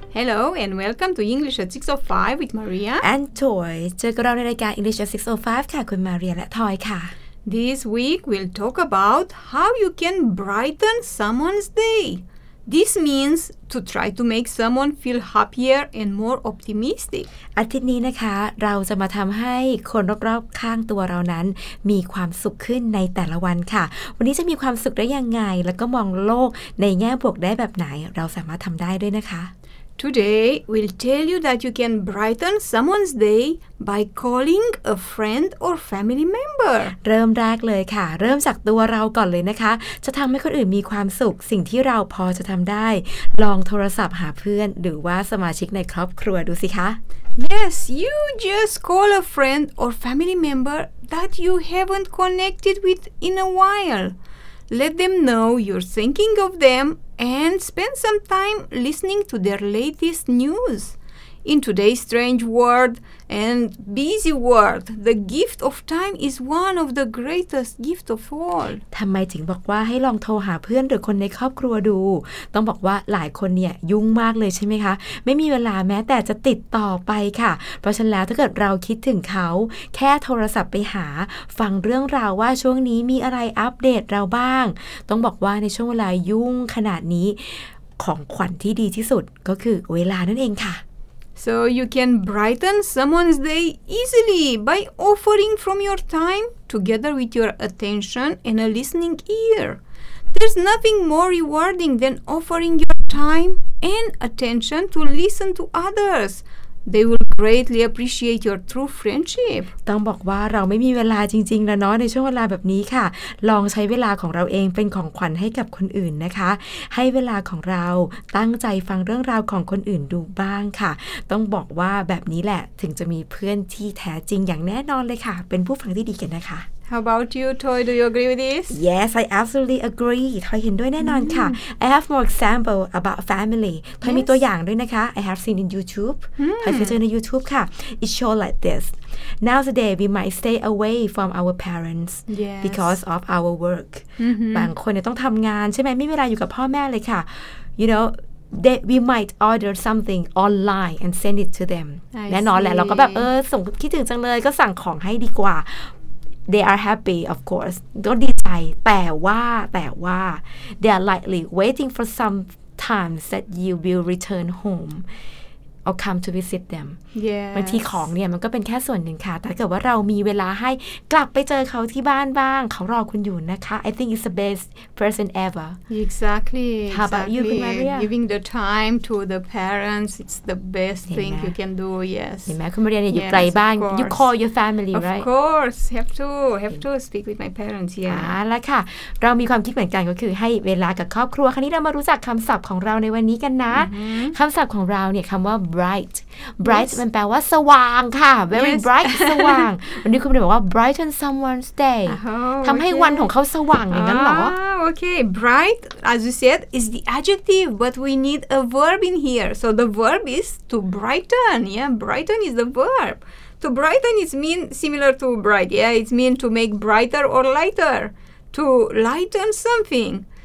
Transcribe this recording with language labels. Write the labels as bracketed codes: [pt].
[en] Hello and welcome to English at 6:05 with Maria and Toy. [th] เจอกับเราในรายการ English at 6:05 ค่ะคุณมาเรียและทอยค่ะ [en] This week we'll talk about how you can brighten someone's day. This means to try to make someone feel happier and more optimistic. [th] อาทิตย์นี้นะคะเราจะมาทำให้คนรอบๆข้างตัวเรานั้นมีความสุขขึ้นในแต่ละวันค่ะวันนี้จะมีความสุขได้ยังไงแล้วก็มองโลกในแง่บวกได้แบบไหนเราสามารถทำได้ด้วยนะคะ [en] Today we'll tell you that you can brighten someone's day by calling a friend or family member. [th] เริ่มแรกเลยค่ะเริ่มจากตัวเราก่อนเลยนะคะจะทำให้คนอื่นมีความสุขสิ่งที่เราพอจะทำได้ลองโทรศัพท์หาเพื่อนหรือว่าสมาชิกในครอบครัวดูสิคะ [en] Yes, you just call a friend or family member that you haven't connected with in a while. Let them know you're thinking of them. And spend some time listening to their latest news. In today's strange world and busy world, the gift of time is one of the greatest gifts of all. [th] ทำไมถึงบอกว่าให้ลองโทรหาเพื่อนหรือคนในครอบครัวดูต้องบอกว่าหลายคนเนี่ยยุ่งมากเลยใช่ไหมคะไม่มีเวลาแม้แต่จะติดต่อไปค่ะเพราะฉะนั้นแล้วถ้าเกิดเราคิดถึงเขาแค่โทรศัพท์ไปหาฟังเรื่องราวว่าช่วงนี้มีอะไรอัปเดตเราบ้างต้องบอกว่าในช่วงเวลายุ่งขนาดนี้ของขวัญที่ดีที่สุดก็คือเวลานั่นเองค่ะ [en] So you can brighten someone's day easily by offering from your time together with your attention and a listening ear. There's nothing more rewarding than offering your time and attention to listen to others. They will greatly appreciate your true friendship. [th] ต้องบอกว่าเราไม่มีเวลาจริงๆนะเนาะในช่วงเวลาแบบนี้ค่ะลองใช้เวลาของเราเองเป็นของขวัญให้กับคนอื่นนะคะให้เวลาของเราตั้งใจฟังเรื่องราวของคนอื่นดูบ้างค่ะต้องบอกว่าแบบนี้แหละถึงจะมีเพื่อนที่แท้จริงอย่างแน่นอนเลยค่ะเป็นผู้ฟังที่ดีกันนะคะ [en] How about you, Toy? Do you agree with this? Yes, I absolutely agree. Toy [th] เห็นด้วยแน่นอนค่ะ [en] I have more example about family. Toy [th] มีตัวอย่างด้วยนะคะ [en] I have seen in YouTube. Toy [th] เจอใน YouTube ค่ะ [en] It show like this. Nowadays, we might stay away from our parents because of our work. [th] บางคนเนี่ยต้องทำงานใช่ไหมไม่มีเวลาอยู่กับพ่อแม่เลยค่ะ [en] You know,That we might order something online and send it to them. [th] แน่นอนแหละเราก็แบบเออส่งคิดถึงจังเลยก็สั่งของให้ดีกว่า [en] They are happy, of course. [th] ก็ดีใจแต่ว่า [en] they are likely waiting for some time that you will return home or come to visit them. Yeah. [th] บางทีของเนี่ยมันก็เป็นแค่ส่วนหนึ่งค่ะแต่เกิดว่าเรามีเวลาให้กลับไปเจอเขาที่บ้านบ้างเขารอคุณอยู่นะคะ [en] I think it's the best person ever. Exactly. How about you, Maria? Giving the time to the parents, it's the best thing you can do. Yes. [th] เห็นไหมคุณมาเรียนอยู่ไกลบ้าง [en] You call your family, right? Of course. Have to speak with my parents. Yeah. [th] แล้วค่ะเรามีความคิดเหมือนกันก็คือให้เวลากับครอบครัวคราวนี้เรามารู้จักคำศัพท์ของเราในวันนี้กันนะคำศัพท์ของเราเนี่ยคำว่า bright มันแปลว่าสว่างค่ะ very bright สว่างวันนี้คุณมาเรียนบอกว่า brighten someone's day ทำให้วันของเขาสว่างอย่างนั้นหรอ [en] Okay, bright, as you said, is the adjective, but we need a verb in here. So the verb is to brighten. Yeah, brighten is the verb. To brighten is mean similar to bright. Yeah, it means to make brighter or lighter, to lighten something.